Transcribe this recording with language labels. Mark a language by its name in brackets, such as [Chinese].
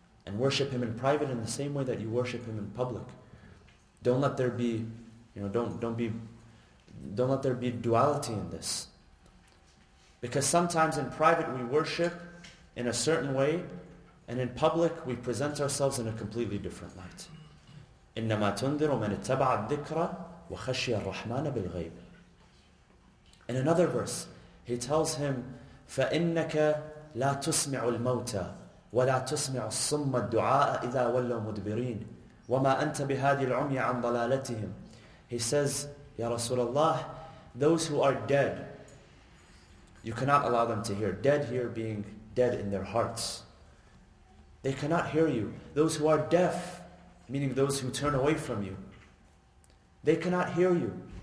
[English] And worship Him in private in the same way that you worship Him in public. Don't let there be, you know, don't let there be duality in this. Because sometimes in private we worship in a certain way, and in public we present ourselves in a completely different light. [Arabic] إنما تنذر من اتبع الذكر وخشي الرحمن بالغيب. [English] In another verse, he tells him, [Arabic] فإنك لا تسمع الموتى ولا تسمع الصم الدعاء إذا ولوا مدبرين وما أنت بهذه العمي عن ضلالتهم. [English] He says, [Arabic] يا رسول الله, [English] those who are dead, you cannot allow them to hear. Dead here being dead in their hearts. They cannot hear you. Those who are deaf, meaning those who turn away from you, they cannot hear you.